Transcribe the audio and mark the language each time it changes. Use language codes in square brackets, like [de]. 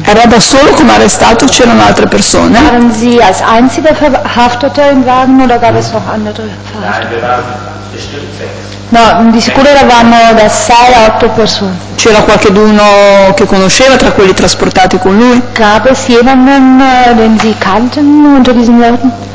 [it] Era da solo come arrestato o c'erano altre persone? [de] Waren Sie als einziger verhaftete im Wagen oder gab es noch andere verhaftete? [it] No, di sicuro eravamo da 6 a 8 persone. C'era qualcuno che conosceva tra quelli trasportati con lui? [de] Gab es jemanden, den Sie kannten unter diesen Leuten?